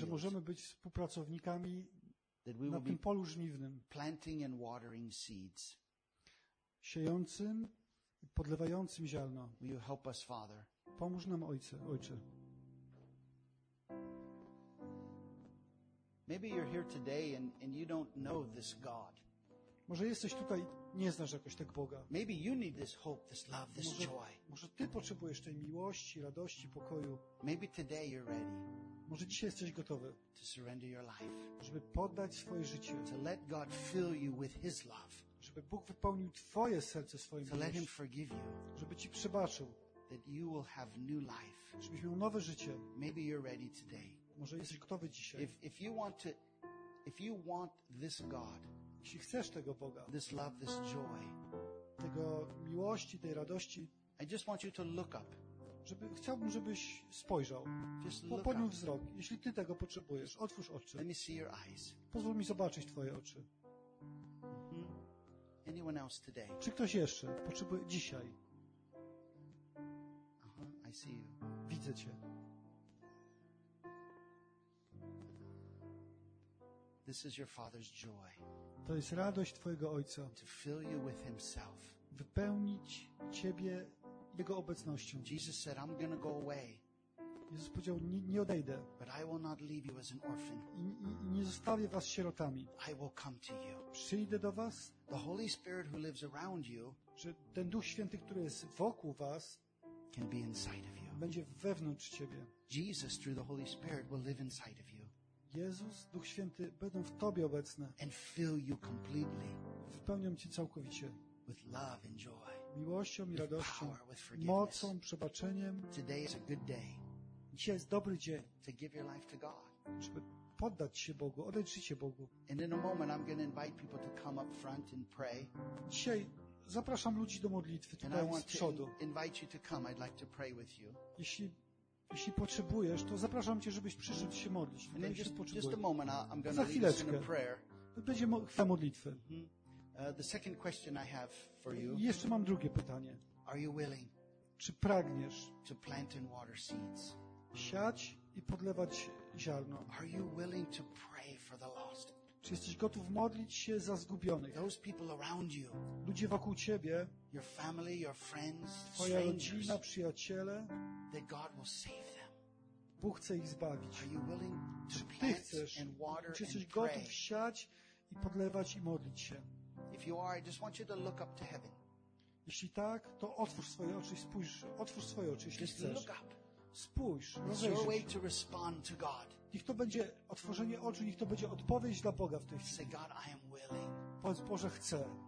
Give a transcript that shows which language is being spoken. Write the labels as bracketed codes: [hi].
[pl] Że możemy być współpracownikami na tym polu żniwnym. [en] Planting and watering seeds. [pl] Siejącym i podlewającym ziarno. [en] Will you help us, Father? [pl] Pomóż nam, Ojcze. Ojcze. [en] Maybe you're here today and you don't know this God. [pl] Może jesteś tutaj, nie znasz jakoś tak Boga. [en] Maybe you need this hope, this love, this joy. [pl] Może ty potrzebujesz tej miłości, radości, pokoju. [en] Maybe today you're ready. [pl] Może dzisiaj jesteś gotowy. [en] To surrender your life. [pl] Żeby poddać swoje życie. [en] To let God fill you with his love. [pl] Żeby Bóg wypełnił twoje serce swoim miłością. [en] To let him forgive you. [pl] Żeby ci przebaczył. [en] That you will have new life. [pl] Żebyś miał nowe życie. [en] Maybe you're ready today. [pl] Może jesteś gotowy dzisiaj. [en] If you want this God, [pl] jeśli chcesz tego Boga, [en] this love, this joy, [pl] tego miłości, tej radości, [en] I just want you to look up. [pl] Chciałbym, żebyś spojrzał. Podniósł wzrok. Jeśli ty tego potrzebujesz, otwórz oczy. [en] Let me see your eyes. [pl] Pozwól mi zobaczyć twoje oczy. [en] Mm-hmm. Anyone else today? [pl] Czy ktoś jeszcze potrzebuje dzisiaj? [en] Uh-huh, I see you. [pl] Widzę cię. [en] This is your father's joy. [pl] To jest radość twojego ojca. [en] To fill you with himself. [pl] Wypełnić ciebie jego obecnością. [en] Jesus said, I'm gonna go away. [pl] Jezus powiedział, nie odejdę. [en] But I will not leave you as an orphan. [pl] I nie zostawię was sierotami. [en] I will come to you. [pl] Przyjdę do was. [en] The Holy Spirit who lives around you, [pl] że ten Duch Święty, który jest wokół was, [en] can be inside of you. [pl] Będzie wewnątrz ciebie. [en] Jesus through the Holy Spirit will live inside of you. [pl] Jezus, Duch Święty, będą w tobie obecne. [en] And fill you completely. [pl] Wypełnią cię całkowicie. [en] With love and joy. [pl] Miłością i radością. [en] With power, with forgiveness. [pl] Mocą, przebaczeniem. [en] Today is a good day. [pl] Dzisiaj jest dobry dzień. [en] To give your life to God. [pl] Żeby poddać się Bogu, oddać życie Bogu. [en] And in a moment I'm going to invite people to come up front and pray. [pl] Dzisiaj zapraszam ludzi do modlitwy tutaj [en] and I want [pl] z przodu. [en] To invite you to come. I'd like to pray with you. [pl] Jeśli potrzebujesz, to zapraszam cię, żebyś przyszedł się modlić. [en] Just a moment, I'm gonna [pl] za chwileczkę. [en] In a prayer. [pl] Będzie chwila modlitwy. Mm-hmm. [en] The second question I have for you. [pl] I jeszcze mam drugie pytanie. [en] Are you willing? [pl] Czy pragniesz? [en] To plant and water seeds. [pl] Siać i podlewać ziarno. [en] Are you willing to pray for the lost? [pl] Czy jesteś gotów modlić się za zgubionych? [en] Those people around you. [pl] Ludzie wokół ciebie. [en] Your family, your friends, [pl] twoja rodzina, przyjaciele. [en] That God will save them. [pl] Bóg chce ich zbawić. [en] Are you willing to [pl] czy ty chcesz, [en] and water [pl] czy jesteś gotów siać i podlewać i modlić się? [en] If you are, I just want you to look up to heaven. [pl] Jeśli tak, to otwórz swoje oczy i spójrz. Otwórz swoje oczy, jeśli [en] just [pl] chcesz. [en] Look up. [pl] Spójrz. [en] It's your way to respond to God. [pl] Niech to będzie otworzenie oczu, niech to będzie odpowiedź dla Boga w tej chwili. Powiedz: Boże, chcę.